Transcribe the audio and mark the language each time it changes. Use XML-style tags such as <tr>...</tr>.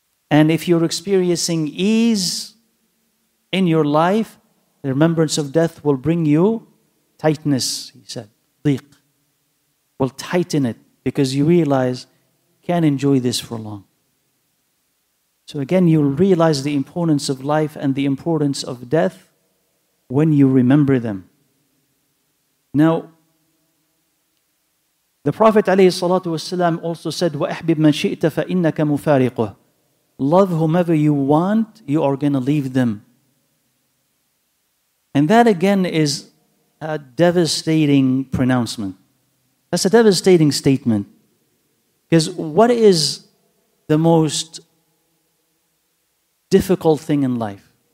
<en>And if you're experiencing ease in your life, the remembrance of death will bring you tightness, he said. Dhiq. Will tighten it because you realize you can't enjoy this for long. So again, you'll realize the importance of life and the importance of death when you remember them. Now, the Prophet ﷺ also said,</en> <ar>وَأَحْبِبْ مَنْ شِئْتَ فَإِنَّكَ مُفَارِقُهُ.</ar> <en>Love whomever you want, you are going to leave them. And that again is a devastating pronouncement. That's a devastating statement. Because what is the most difficult thing in life?</en>